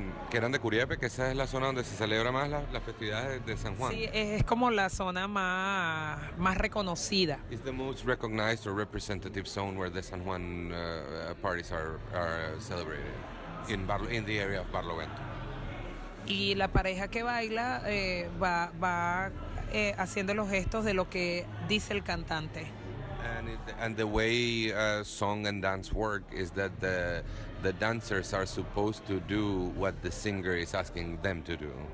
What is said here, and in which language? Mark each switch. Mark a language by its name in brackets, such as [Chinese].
[Spanish] Que eran de Curiepe, que esa es la zona donde se celebra más la festividad de San Juan. Sí, es como la zona más reconocida. [English] It's the most recognized or representative zone where the San Juan parties are celebrated in the area of Barlovento. [Spanish] Y la pareja que baila va haciendo los gestos de lo que dice el cantante. [English] And the way song and dance work is that the dancers are supposed to do what the singer is asking them to do.